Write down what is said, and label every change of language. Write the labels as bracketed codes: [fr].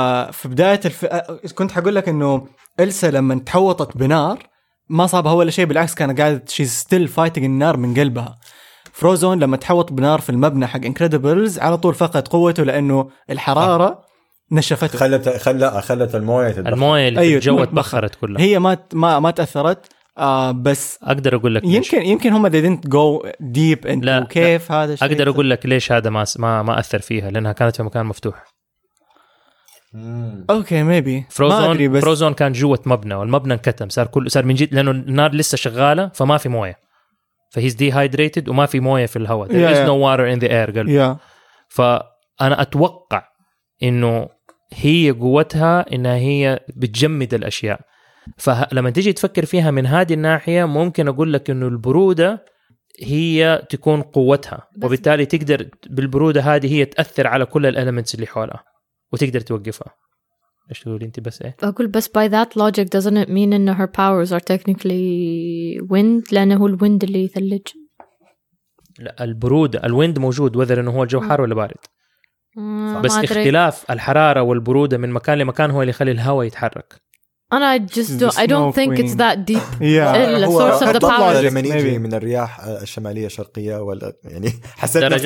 [ar] في بداية كنت حقول لك أنه إلسا لما تحوطت بنار ما صابها ولا شيء بالعكس كانت قاعدة [en] she's still fighting [ar] النار من قلبها فروزون لما تحوط بنار في المبنى حق Incredibles على طول فقد قوته لأنه الحرارة نشفته خلت الموية تتبخر الموية اللي الجو تبخرت كلها هي ما تأثرت بس اقدر اقول لك يمكن هم [en] they didn't go deep into [ar] كيف لا. هذا الشيء اقدر اقول لك ليش هذا ما اثر فيها لانها كانت في مكان مفتوح اوكي ميبي فروزون كان جوه مبنى والمبنى انكتم صار من جد لانه النار لسه شغاله فما في مويه فهيز dehydrated وما في مويه في الهواء [en] there is no water in the air [ar] قال فانا اتوقع انه هي قوتها انها هي بتجمد الاشياء فلما تيجي تفكر فيها من هذه الناحية ممكن أقول لك إنه البرودة هي تكون قوتها وبالتالي تقدر بالبرودة هذه هي تأثر على كل الألمنتس اللي حولها وتقدر توقفها إيش تقولي أنت بس إيه؟ [en] أقول بس by that logic doesn't it mean that her powers are technically wind [ar] لأنه الويند اللي يثلج لا البرودة الويند موجود وذر إنه هو الجو حار ولا بارد بس اختلاف الحرارة والبرودة من مكان لمكان هو اللي يخلي الهواء يتحرك أنا [en] I don't think it's that deep. Yeah. The source of the power. [ar] يجي من الرياح الشمالية الشرقية ولا يعني حسيت